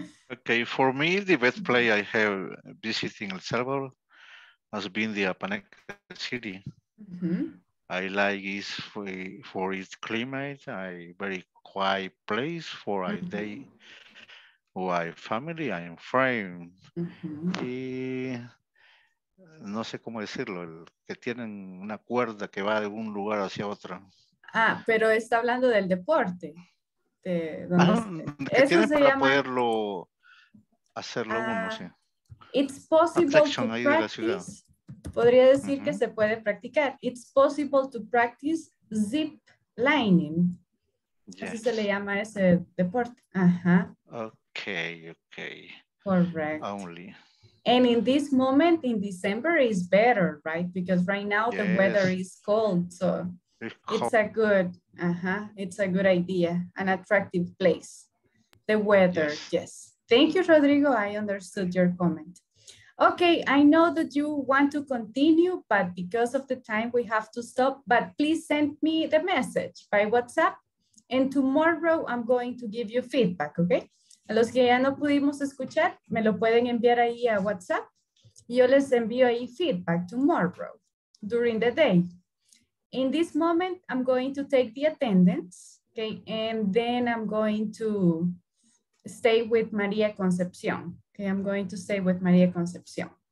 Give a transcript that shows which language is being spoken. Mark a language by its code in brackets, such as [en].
[en] Okay, for me, the best place I have visiting El Salvador has been the Apaneca city. Mm-hmm. I like it for its climate, a very quiet place for a day with my family and friends. [es] No sé cómo decirlo, el que tienen una cuerda que va de un lugar hacia otro. Ah, pero está hablando del deporte. ¿Qué tienen para poderlo hacerlo uno, sí? [en] It's possible to practice. [es] Podría decir que se puede practicar. [en] It's possible to practice zip lining. Yes. [es] Así se le llama ese deporte. [en] Okay. Correct. Only. And in this moment, in December, is better, right? Because right now the weather is cold, so... It's a good idea, an attractive place. The weather, yes. Thank you, Rodrigo. I understood your comment. Okay, I know that you want to continue, but because of the time, we have to stop. But please send me the message by WhatsApp. And tomorrow, I'm going to give you feedback, okay? [es] A los que ya no pudimos escuchar, me lo pueden enviar ahí a WhatsApp. Yo les envío ahí feedback [en] tomorrow, during the day. In this moment, I'm going to take the attendance, okay? And then I'm going to stay with Maria Concepcion. Okay, I'm going to stay with Maria Concepcion.